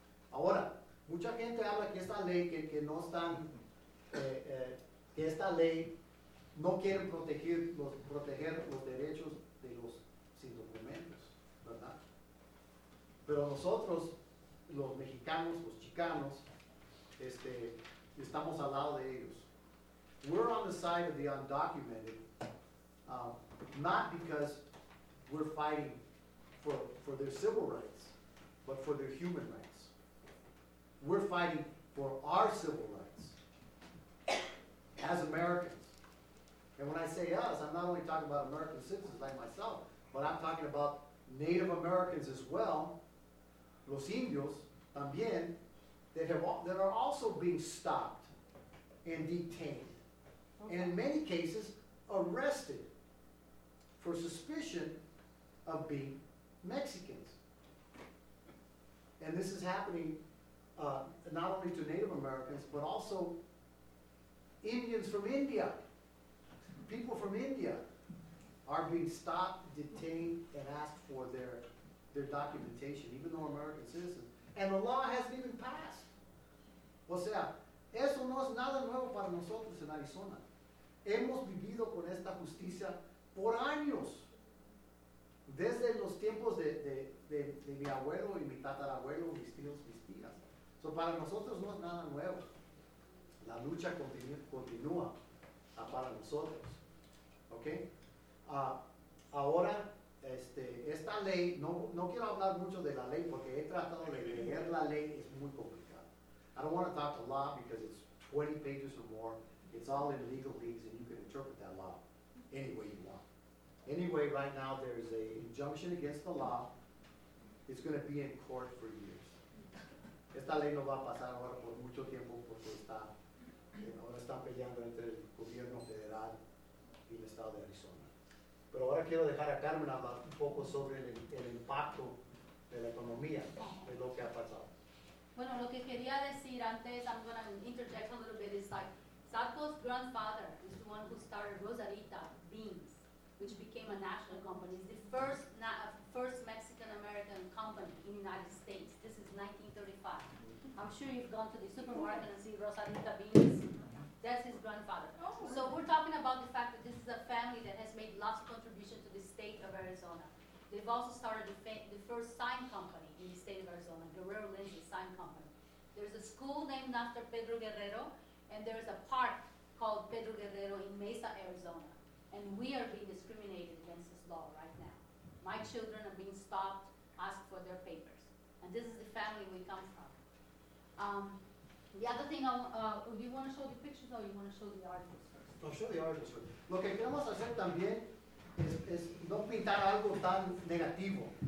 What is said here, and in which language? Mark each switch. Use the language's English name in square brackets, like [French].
[Spanish] Ahora, mucha gente habla que esta ley, que no están, que esta ley no quiere proteger los derechos de los sin documentos, ¿verdad? Pero nosotros, los mexicanos, los chicanos, estamos al lado de ellos. [English] We're on the side of the undocumented, not because we're fighting for their civil rights, but for their human rights. We're fighting for our civil rights as Americans. And when I say us, I'm not only talking about American citizens like myself, but I'm talking about Native Americans as well, los indios también, that are also being stopped and detained, and in many cases arrested for suspicion of being Mexicans. And this is happening not only to Native Americans, but also Indians from India. People from India are being stopped, detained, and asked for their documentation, even though American citizens. And the law hasn't even passed. [Spanish] O sea, eso no es nada nuevo para nosotros en Arizona. Hemos vivido con esta justicia por años. Desde los tiempos de mi abuelo y mi tatarabuelo, mis tíos, mis tías. So para nosotros no es nada nuevo. La lucha continúa para nosotros. ¿Ok? Ahora, esta ley, no quiero hablar mucho de la ley porque he tratado de leer la ley, es muy complicado. [English] I don't want to talk a lot because it's 20 pages or more. It's all in legalese and you can interpret that law any way you want. Anyway, right now there's an injunction against the law. It's going to be in court for years. [Spanish] Esta ley no va a pasar ahora por mucho tiempo porque está, ahora están peleando entre el gobierno federal y el estado de Arizona. Pero ahora quiero dejar a Carmen hablar un poco sobre el impacto de la economía, de lo que ha pasado. Bueno, lo que quería decir antes, [English] I'm going to interject a little bit, is like, Sarko's grandfather is the one who started Rosarita Beans, which became a national company. It's the first Mexican-American company in the United States. This is 1935. I'm sure you've gone to the supermarket and seen Rosarita Beans. That's his grandfather. So we're talking about the fact that this is a family that has made lots of contribution to the state of Arizona. They've also started the first sign company in the state of Arizona, Guerrero Lindsay Sign Company. There's a school named after Pedro Guerrero, and there's a park called Pedro Guerrero in Mesa, Arizona. And we are being discriminated against this law right now. My children are being stopped, asked for their papers. And this is the family we come from. The other thing, do you want to show the pictures or you want to show the articles first? I'll show the articles first. [Spanish] Lo que queremos hacer también es no pintar algo tan negativo.